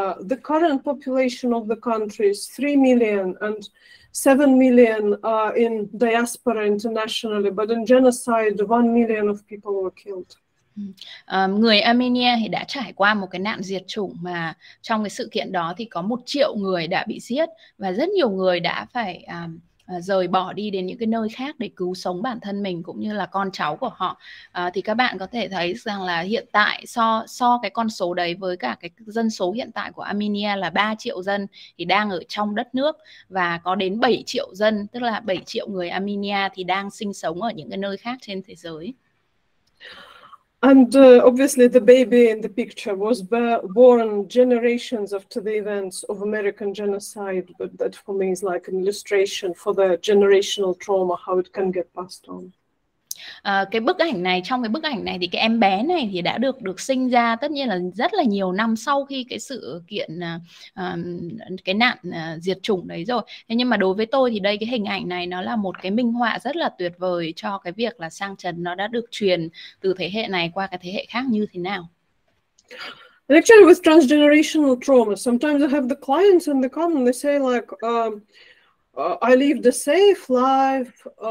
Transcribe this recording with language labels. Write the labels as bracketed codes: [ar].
[en] The current population of the country is 3 million and 7 million are in diaspora internationally, but in genocide, 1 million of people were killed. [vi] Người Armenia thì đã trải qua một cái nạn diệt chủng mà trong cái sự kiện đó thì có 1 triệu người đã bị giết và rất nhiều người đã phải rời bỏ đi đến những cái nơi khác để cứu sống bản thân mình cũng như là con cháu của họ. Thì các bạn có thể thấy rằng là hiện tại so cái con số đấy với cả cái dân số hiện tại của Armenia là 3 triệu dân thì đang ở trong đất nước và có đến 7 triệu dân, tức là 7 triệu người Armenia thì đang sinh sống ở những cái nơi khác trên thế giới. [en] And obviously the baby in the picture was born generations after the events of American genocide, but that for me is like an illustration for the generational trauma, how it can get passed on. [vi] Cái bức ảnh này, trong cái bức ảnh này thì cái em bé này thì đã được sinh ra tất nhiên là rất là nhiều năm sau khi cái sự kiện cái nạn diệt chủng đấy rồi. Thế nhưng mà đối với tôi thì đây cái hình ảnh này nó là một cái minh họa rất là tuyệt vời cho cái việc là sang trần nó đã được truyền từ thế hệ này qua cái thế hệ khác như thế nào. [en] Actually with transgenerational trauma, sometimes I have the clients and they come and they say like I lived a safe life.